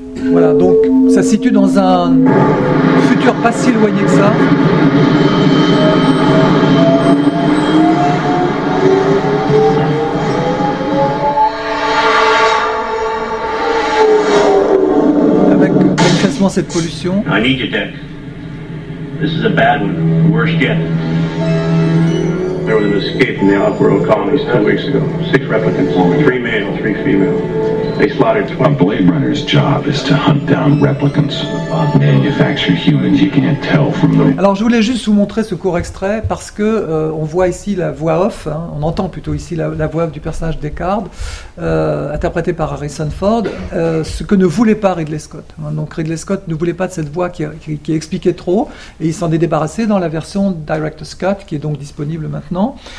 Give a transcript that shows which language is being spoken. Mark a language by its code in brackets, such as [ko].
[fr] Voilà, donc ça se situe dans un futur pas si éloigné que ça. Avec précisément cette pollution. [en] I need you, Dick. This is a bad one, the worst yet. There was an escape in the off-world colonies 2 weeks ago. 6 replicants, 3 male, 3 female. They slaughtered 20. A Blade Runner's job is to hunt down replicants, manufacture humans you can't tell from them. [fr] Alors je voulais juste vous montrer ce court extrait parce que on voit ici la voix off, hein, on entend plutôt ici la voix off du personnage Deckard, interprété par Harrison Ford, ce que ne voulait pas Ridley Scott. Hein, donc Ridley Scott ne voulait pas de cette voix qui expliquait trop, et il s'en est débarrassé dans la version Director's Cut qui est donc disponible maintenant.